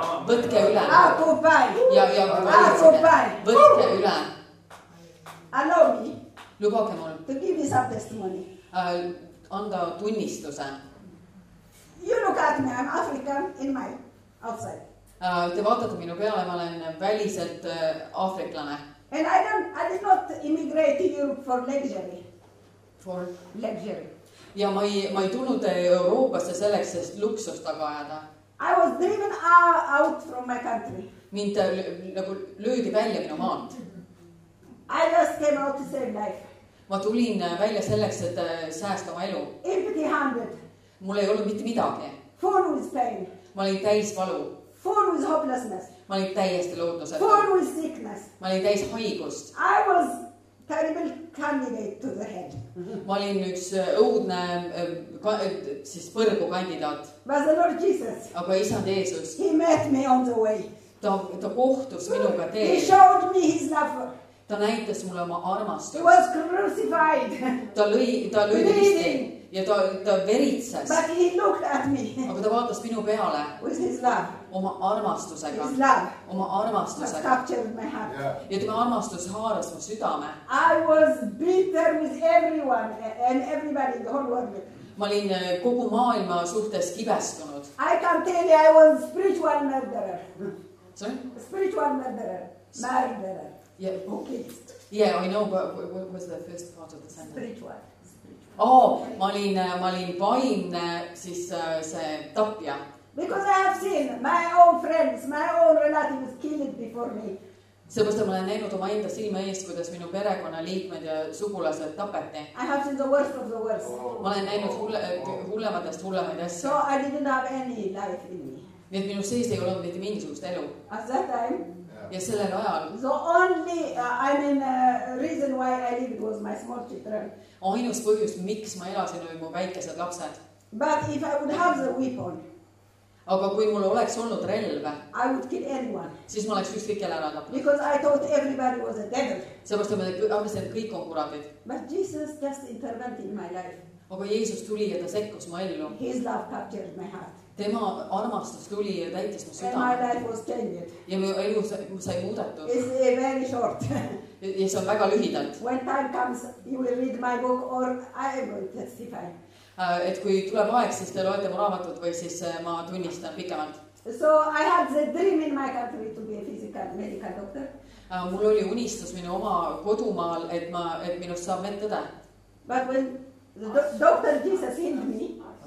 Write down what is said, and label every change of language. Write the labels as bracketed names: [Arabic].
[Estonian] Võtke üle. [English] Akupai. [Estonian] Ja [English] akupai. [Estonian] Võtke üle. [English] Allow me. [Estonian] Lubage mul. [English] To give me some testimony. [Estonian] Anda tunnistuse. [English] You look at me. I'm African in my outside. [Estonian] Te vaatate minu peale, ma olen väliselt aafriklane. [English] And I did not immigrate to Europe for luxury. For luxury. [Estonian] Ja ma ei tulnud Euroopasse selleks, sest luksust taga ajada. [English] I was driven out from my country. [Estonian] Mind nagu löödi välja minu maalt. [English] I just came out to save life. [Estonian] Ma tulin välja selleks, et säästa oma elu. [English] Empty handed. [Estonian] Mul ei olnud mitte midagi. [English] Full with pain. [Estonian] Ma olin täis valu. [English] Full with hopelessness. [Estonian] Ma olin täiesti lootuset. [English] Full with sickness. [Estonian] Ma olin täis haigust. [English] I was terrible candidate to the head. [Estonian] Ma olin üks õudne siis põrgu kandidaat. [English] But the Lord Jesus. [Estonian] Aga isand Jeesus. [English] He met me on the way. [Estonian] Ta kohtus minuga tee. [English] He showed me his love. [Estonian] Ta näitas mulle oma armastust. [English] He was crucified. [Estonian] Ta lõi risti. Ja ta veritses. [English] But he looked at me. [Estonian] Aga ta vaatas minu peale. [English] With his love. [Estonian] Oma armastusega. [English] His love. [Estonian] Oma armastusega. [English] Was captured my heart. [Estonian] Ja tema armastus haaras mu südame. [English] I was bitter with everyone and everybody in the whole world. [Estonian] Ma olin kogu maailma suhtes kibestunud. [English] I can tell you I was spiritual murderer. Sorry? Spiritual murderer. Murderer. Yeah. Okay. Yeah, I know, but what was the first part of the sentence? Spiritual. [Estonian] Oh, ma olin vaimne, siis see tapja. [English] Because I have seen my own friends, my own relatives killed before me. [Estonian] Sõbast, ma olen näinud oma enda silma ees, kuidas minu perekonna liikmed ja sugulased tapeti. [English] I have seen the worst of the worst. [Estonian] Ma olen näinud hullematest hullemaid asja. [English] So I didn't have any life in me. [Estonian] Nii et minu sees ei olnud mitte mingisugust elu. [English] At that time? [Estonian] Ja sellel ajal. [English] So only, I mean, reason why I lived was my small children. [Estonian] Ainus põhjus, miks ma elasin, oli mu väikesed lapsed. [English] But if I would have the weapon. [Estonian] Aga kui mul oleks olnud relve. [English] I would kill anyone. [Estonian] Siis ma oleks ükskõik kelle ära tapnud. [English] Because I thought everybody was a devil. [Estonian] Sellepärast ma arvasin, et kõik on kuradid. [English] But Jesus just intervened in my life. [Estonian] Aga Jeesus tuli ja ta sekkus mu ellu. [English] His love captured my heart. [Estonian] Tema armastus tuli ja täitis mu südame. [English] And my life was changed. [Estonian] Ja mu elu sai muudatud. [English] It's very short. [Estonian] Ja see on väga lühidalt. [English] When time comes, you will read my book or I will testify. [Estonian] Et kui tuleb aeg, siis te loete mu raamatut või siis ma tunnistan pikemalt. [English] So I had the dream in my country to be a physical medical doctor. [Estonian] Mul oli unistus minu oma kodumaal, et minust saab medõde. [English] But when the doctor Jesus healed me,